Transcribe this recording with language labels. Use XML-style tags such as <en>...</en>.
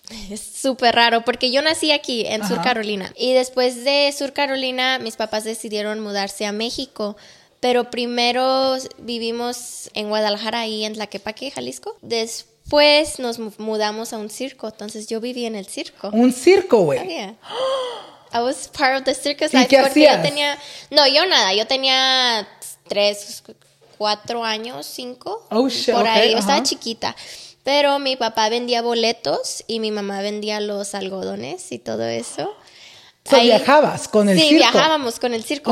<es>Es súper raro porque yo nací aquí en Sur Carolina y después de Sur Carolina mis papás decidieron mudarse a México, pero primero vivimos en Guadalajara y en Tlaquepaque, Jalisco. Después nos mudamos a un circo, entonces yo viví en el circo. ¿Un circo, güey?</es> <en>Oh, yeah. I was part of the circus.</en> <es>¿Y qué hacías? Porque yo tenía, no, yo nada, yo tenía 3, 4 años, 5.</es> <en>Oh, shit.</en> <es>Por</es> <en>okay.</en> <es>ahí, yo estaba chiquita. Pero mi papá vendía boletos y mi mamá vendía los algodones y todo eso. ¿So ahí viajabas con el circo? Sí, viajábamos con el circo.</es>